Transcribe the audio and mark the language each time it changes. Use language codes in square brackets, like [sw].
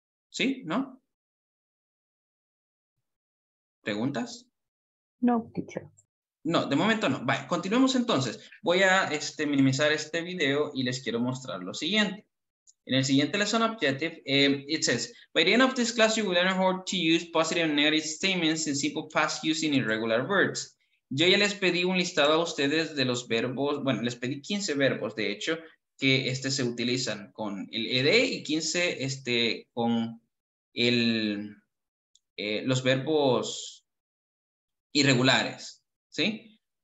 [es] ¿Sí? ¿No? ¿Preguntas? No, teacher. No, de momento no. Vale, continuemos entonces. Voy a minimizar este video y les quiero mostrar lo siguiente. [en] In the siguiente lesson objective, it says, by the end of this class, you will learn how to use positive and negative statements in simple past using irregular verbs. [es] Yo ya les pedí un listado a ustedes de los verbos, bueno, les pedí 15 verbos, de hecho, que se utilizan con el ED y 15 con el, los verbos irregulares, ¿sí?